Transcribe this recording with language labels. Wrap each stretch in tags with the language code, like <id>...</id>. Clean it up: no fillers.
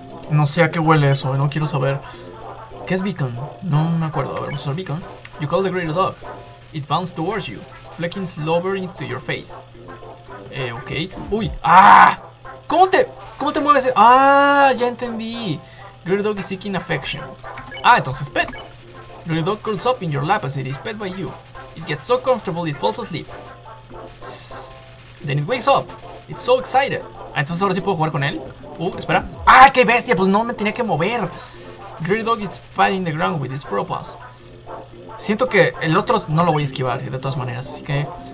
<es>No sé a qué huele eso, no quiero saber. ¿Qué es Beacon? No me acuerdo, a ver, vamos a usar Beacon.</es> <en>You call the Greater Dog. It bounces towards you, flecking slobber into your face.</en> <es>Ok. Uy. ¡Ah! ¿Cómo te mueves? Ya entendí.</es> <en>Greater Dog is seeking affection.</en> <es>Ah, entonces</es> <en>pet. Greater Dog curls up in your lap as it is pet by you. It gets so comfortable it falls asleep. Then it wakes up. It's so excited.</en> <es>Ah, entonces ahora sí puedo jugar con él. Espera. ¡Ah, qué bestia! Pues no me tenía que mover.</es> <en>Greater Dog is patting the ground with its forepaws.</en> <es>Siento que el otro no lo voy a esquivar de todas maneras, así que...</es>